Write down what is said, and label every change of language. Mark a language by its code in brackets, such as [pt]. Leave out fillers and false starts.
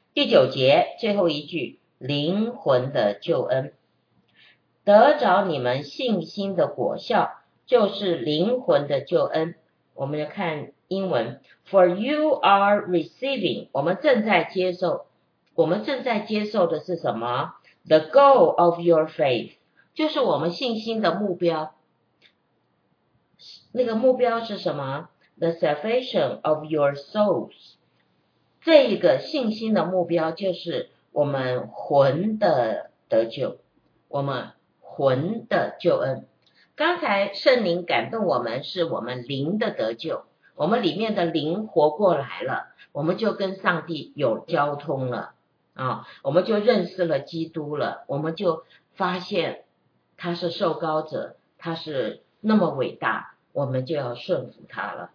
[zh] 第九节最后一句，灵魂的救恩，得着你们信心的果效，就是灵魂的救恩。我们来看英文 [en] For you are receiving， [zh] 我们正在接受，我们正在接受的是什么？ [en] The goal of your faith， [zh] 就是我们信心的目标。那个目标是什么？ [en] The salvation of your souls， [zh] 这一个信心的目标就是我们魂的得救，我们魂的救恩。刚才圣灵感动我们是我们灵的得救，我们里面的灵活过来了，我们就跟上帝有交通了啊，我们就认识了基督了，我们就发现他是受膏者，他是那么伟大，我们就要顺服他了。